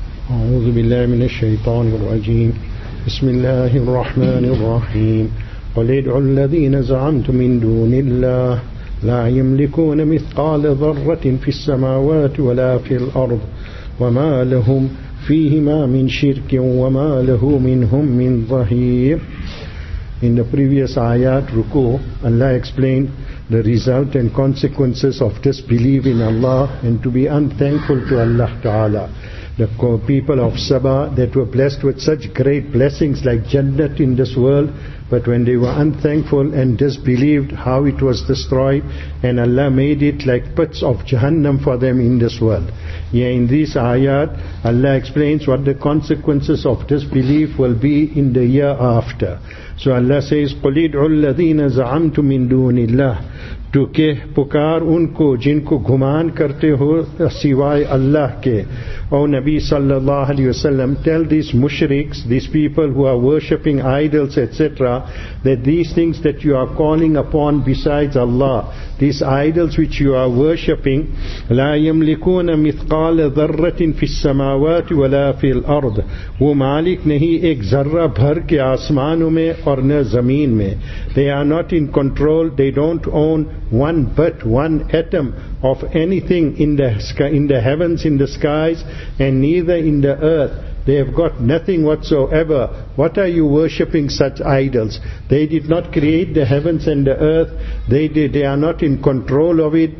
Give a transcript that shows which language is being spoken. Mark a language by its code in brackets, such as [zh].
[ar] أعوذ بالله من الشيطان الرجيم. بسم الله الرحمن الرحيم. قل ادعوا الذين زعمتم من دون الله لا يملكون مثقال ذرة في السماوات ولا في الأرض وما لهم فيهما من شرك وما له منهم من ظهير. [en] In the previous ayat ruku, Allah explained the result and consequences of disbelief in Allah and to be unthankful to Allah Ta'ala. The people of Saba that were blessed with such great blessings like Jannat in this world, but when they were unthankful and disbelieved, how it was destroyed, and Allah made it like pits of Jahannam for them in this world. Yeah, in this ayat, Allah explains what the consequences of disbelief will be in the year after. So Allah says, [ar] قُلِ ادْعُوا الَّذِينَ زَعَمْتُ مِن دُونِ اللَّهِ. [ur] To ke pukar unko jinko ghuman karte ho siwai Allah ke. [en] O Nabi sallallahu alayhi wasallam, tell these mushriks, these people who are worshipping idols, etc., that these things that you are calling upon besides Allah, these idols which you are worshipping, [ar] لا يملكون مثقال ذرة في السماوات ولا في الأرض. [ur] وہ مالک نہیں ایک ذرہ بھر کے آسمانوں میں اور نہ زمین میں. [en] They are not in control, they don't own one but one atom of anything in the sky, in the heavens, in the skies, and neither in the earth. They have got nothing whatsoever. What are you worshipping such idols? They did not create the heavens and the earth. They are not in control of it.